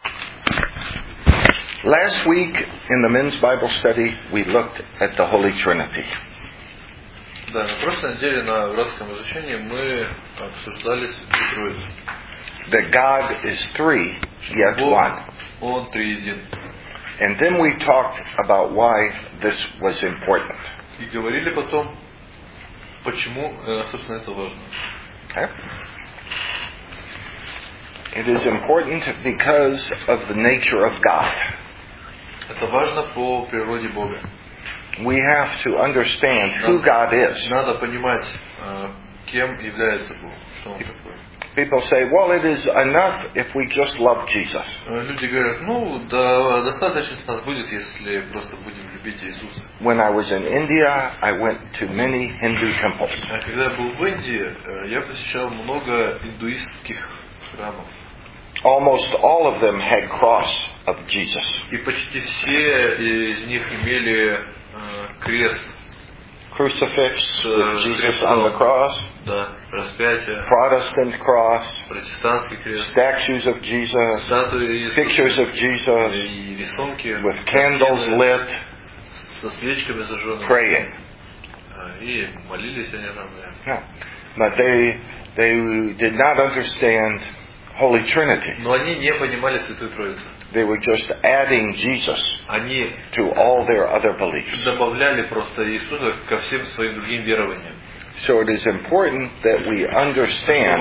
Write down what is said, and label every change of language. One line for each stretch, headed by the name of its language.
English: Last week in the men's Bible study, we looked at the Holy Trinity.
Russian: Да, на прошлой неделе на братском изучении мы обсуждали Святую Троицу.
English: That God is three, yet one.
Russian: Он триедин.
English: And then we talked about why this was important.
Russian: И говорили потом, почему, собственно, это важно.
English: Okay. It is important because of the nature of God.
Russian: Это важно по природе Бога.
English: We have to understand who God is.
Russian: Надо понимать, кем является Бог, что Он такой.
English: People say, well, it is enough if we just love Jesus.
Russian: Люди говорят, ну, да, достаточно нас будет, если просто будем любить Иисуса.
English: When I was in India, I went to many Hindu temples.
Russian: Когда я был в Индии, я посещал много индуистских храмов.
English: Almost all of them had cross of Jesus.
Russian: И почти все из них имели крест.
English: Crucifix with Jesus on the cross.
Russian: Да, распятие.
English: Protestant cross.
Russian: Протестантский крест.
English: Statues of Jesus.
Russian: Статуи Иисуса.
English: Pictures of Jesus.
Russian: И рисунки.
English: With candles lit.
Russian: Со свечками зажженными.
English: Praying.
Russian: И молились они там.
English: Yeah, but they did not understand Holy Trinity.
Russian: Но они не понимали Святую Троицу.
English: They were just adding Jesus to all their other beliefs.
Russian: Добавляли просто Иисуса ко всем своим другим верованиям.
English: So it is important that we understand